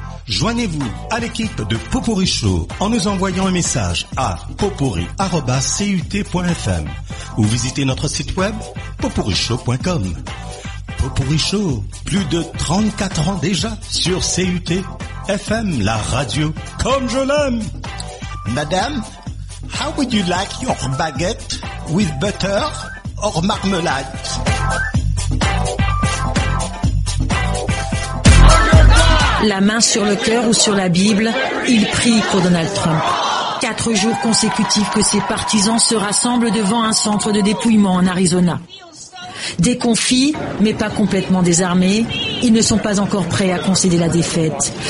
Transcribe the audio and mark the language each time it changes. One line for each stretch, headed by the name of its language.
French: Joignez-vous à l'équipe de Potpourri Show en nous envoyant un message à potpourri@cut.fm ou visitez notre site web potpourrishow.com. Potpourri Show, plus de 34 ans déjà sur CUT FM, la radio comme je l'aime.
English: Madame, how would you like your baguette with butter or marmalade?
French: La main sur le cœur ou sur la Bible, il prie pour Donald Trump. 4 jours consécutifs que ses partisans se rassemblent devant un centre de dépouillement en Arizona. Déconfits, mais pas complètement désarmés, ils ne sont pas encore prêts à concéder la défaite.